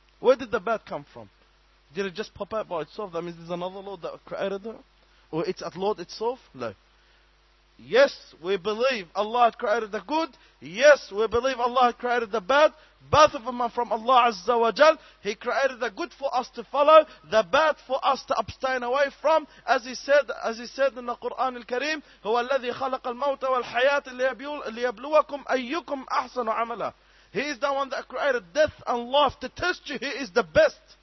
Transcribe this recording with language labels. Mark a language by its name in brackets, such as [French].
[English] Where did the bad come from? Did it just pop out by itself? That means there's another Lord that created it? Or it's at Lord itself? No. Yes, we believe Allah created the good. Yes, we believe Allah created the bad. Both of them are from Allah Azza wa Jal. He created the good for us to follow, the bad for us to abstain away from. As he said in the Quran al-Kareem, [Arabic] هُوَ الَّذِي خَلَقَ الْمَوْتَ وَالْحَيَاةِ لِيَبْلُوَكُمْ أَيُّكُمْ أَحْسَنُ عَمَلًا. [English] He is the one that created death and life to test you. He is the best.